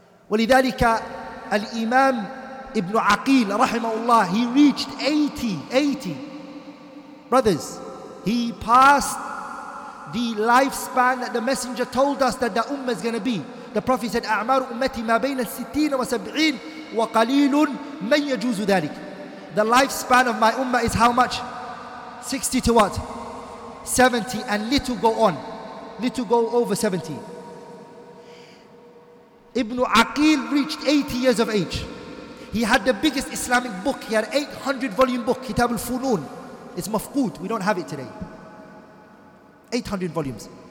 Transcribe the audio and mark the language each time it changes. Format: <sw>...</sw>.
<ar>ولذلك الإمام ابن عقيل رحمه الله,</ar> <en>he reached 80 brothers. He passed the lifespan that the messenger told us that the ummah is going to be. The prophet said,</en> <ar>أعمار أمتي ما بين الستين وسبعين وقليل من يجوز ذلك.</ar> <en>The lifespan of my ummah is how much? 60 to what? 70 and little go on. Little go over 70. Ibn Aqil reached 80 years of age. He had the biggest Islamic book. He had an 800 volume book, Kitab al-Funun. It's mafqood, we don't have it today. 800 volumes.</en>